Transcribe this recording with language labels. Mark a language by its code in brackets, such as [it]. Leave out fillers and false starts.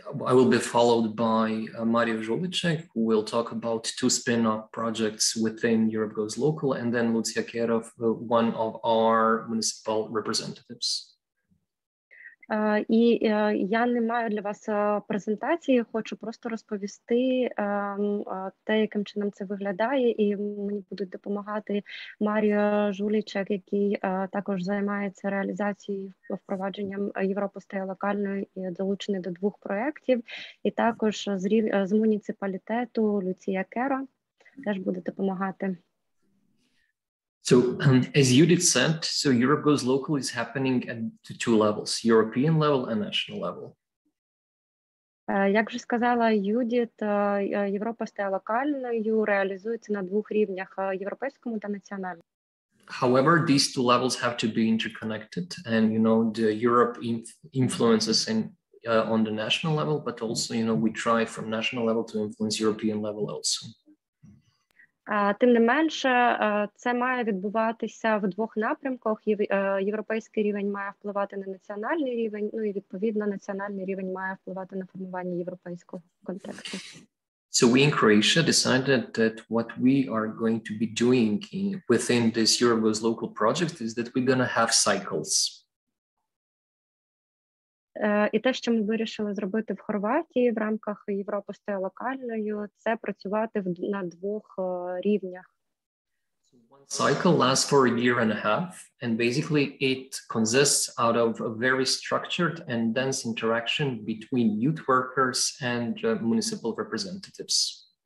[en] I will be followed by Mario Žovicek, who will talk about two spin-off projects within Europe Goes Local, and then Lucia Kerov, one of our municipal representatives. [uk] І я не маю для вас презентації, хочу просто розповісти те, яким чином це виглядає, і мені будуть допомагати Маріо Жулічек, який також займається реалізацією впровадженням Європи стає локальною і долучений до двох проєктів, і також з муніципалітету Люція Кера теж буде допомагати. [en] So as Judith said, so Europe Goes Local is happening at two levels, European level and national level. [uk] Як вже сказала Юдіт, Європа стає локальною, реалізується на двох рівнях, європейському та національному. [en] However, these two levels have to be interconnected, and you know, the Europe influences in on the national level, but also, you know, we try from national level to influence European level also. [uk] Тим не менше, це має відбуватися в двох напрямках. Європейський рівень має впливати на національний рівень, ну і відповідно національний рівень має впливати на формування європейського контексту. [en] So we in Croatia decided that what we are going to be doing within this Eurogoes local project is that we're going to have cycles. [uk] І те, що ми вирішили зробити в Хорватії в рамках Європи стає локальною, це працювати на двох рівнях. [en] One cycle lasts for a year and a half, and basically it consists out of a very structured and dense interaction between youth workers and municipal representatives.